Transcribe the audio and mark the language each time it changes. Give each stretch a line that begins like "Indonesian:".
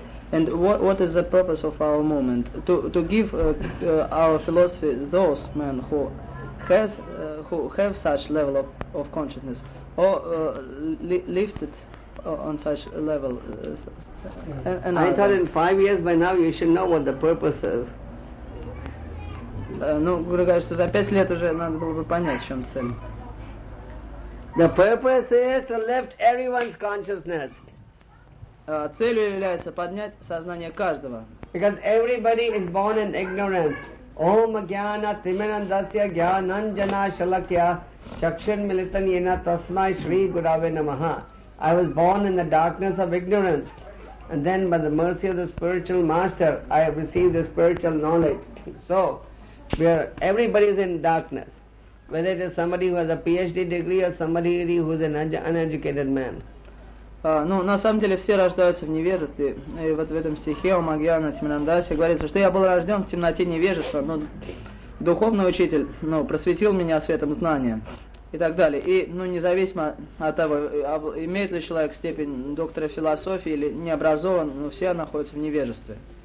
English: And what is the purpose of our movement? To give our philosophy those men who have such level of consciousness or lifted on such a level. I thought in 5 years by now you should know what the purpose is.
Russian: Ну, грубо говоря, что за 5 лет уже надо было бы понять, в чем цель.
English: The purpose is to lift everyone's consciousness.
Russian: Целью является поднять сознание каждого.
English: Because everybody is born in ignorance.
Sanskrit: Om Agyana Timirandasya Gyananjana Shalakya Chakshan Militanyena Tasmai Shri Gurave Namaha.
English: I was born in the darkness of ignorance. And then by the mercy of the spiritual master, I have received the spiritual knowledge. So, everybody is in darkness. Whether it is somebody who has a PhD degree or somebody who is an uneducated man.
Russian: Ну, на самом деле, все рождаются в невежестве. И вот в этом стихе у Магьяна Тимирандаси говорится, что я был рожден в темноте невежества, но духовный учитель, ну, просветил меня светом знания и так далее. И, ну, независимо от того, имеет ли человек степень доктора философии или не образован, но все находятся в невежестве.